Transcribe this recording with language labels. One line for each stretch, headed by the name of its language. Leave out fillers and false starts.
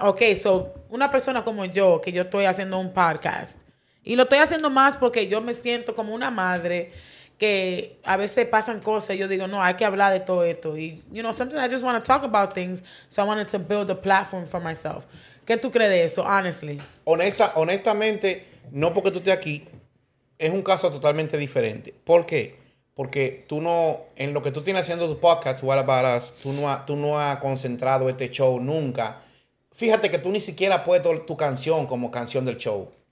English: Okay, so
Spanish: una persona como yo, que yo estoy haciendo un podcast. Y lo estoy haciendo más porque yo me siento como una madre que a veces pasan cosas y yo digo, no, hay que hablar de todo esto. Y,
English: you know, sometimes I just want to talk about things, so I wanted to build a platform for myself.
Spanish: ¿Qué tú crees de eso,
English: honestly?
Spanish: Honestamente, no porque tú estés aquí, es un caso totalmente diferente. ¿Por qué? Porque tú no, en lo que tú tienes haciendo tu podcast, What About Us, tú no has concentrado este show nunca. Fíjate que tú ni siquiera has puesto tu canción como canción del show.